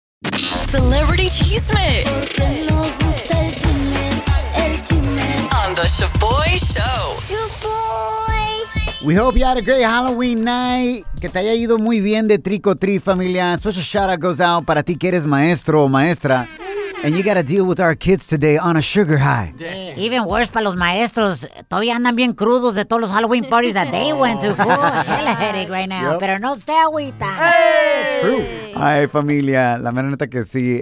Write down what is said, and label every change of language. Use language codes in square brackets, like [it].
[en] Celebrity Cheese Mix on the Shaboy Show. We hope you had a great Halloween night. [es] Que te haya ido muy bien de [en] trick or treat, [es] familia. [en] Special shout out goes out [es] para ti que eres maestro o maestra. [en] And you got to deal with our kids today on a sugar high. Damn. Even worse [es] para los maestros. Todavía andan bien crudos de todos los [en] Halloween parties that they went to. Hell of a headache right now. Yep. [es] Pero no se agüita. Hey! True. Ay, familia. La neta que sí.